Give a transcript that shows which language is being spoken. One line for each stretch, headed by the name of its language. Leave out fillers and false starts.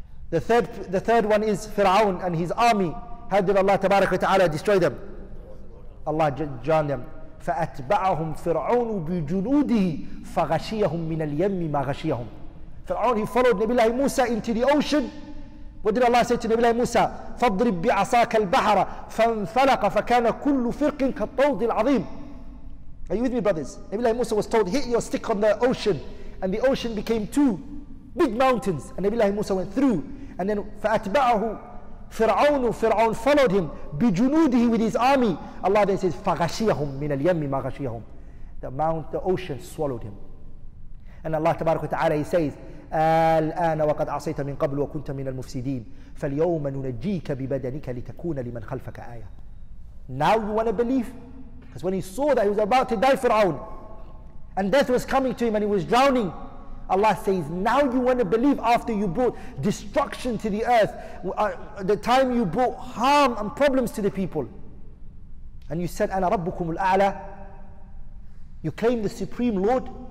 English: The third one is Fir'aun and his army. How did Allah tabarak wa ta'ala destroy them? Allah drowned them.
Arabic: فَأَتْبَعَهُمْ فِرْعَوْنُ بِجُنُودِهِ فَغَشِيَهُمْ مِنَ الْيَمِّ مَا غَشِيَهُمْ.
English: Fir'aun, he followed Nabi Musa into the ocean. What did Allah say to Nabi Musa?
Arabic: فَضْرِبْ بِعَصَاكَ الْبَحَرَ فَانْفَلَقَ فَكَانَ كُلُّ فِرْقٍ كَالطَّوْدِ الْعَظِيمِ.
English: Are you with me, brothers? Nabi Musa was told, hit your stick on the ocean. And the ocean became two big mountains. And Nabi Musa went through. And then فَأَتْبَعَهُ Fir'aun, Fir'aun followed him, bijunudihi, with his army. Allah then says,
Arabic: فَغَشِيَهُمْ مِنَ الْيَمِّ مَا غَشِيَهُمْ.
English: The ocean swallowed him. And Allah tabarak wa ta'ala, he says,
Arabic: أَلْآنَ وَقَدْ عَصَيْتَ مِنْ قَبْلُ وَكُنْتَ مِنَ الْمُفْسِدِينَ فَالْيَوْمَ نُنَجِّيكَ بِبَدَنِكَ لِتَكُونَ لِمَنْ خَلْفَكَ آيَةً.
English: Now you want to believe? Because when he saw that he was about to die, Fir'aun, and death was coming to him and he was drowning, Allah says, now you want to believe after you brought destruction to the earth, the time you brought harm and problems to the people. And you said,
Arabic: أَنَا رَبُّكُمُ الْأَعْلَى.
English: You claim the Supreme Lord.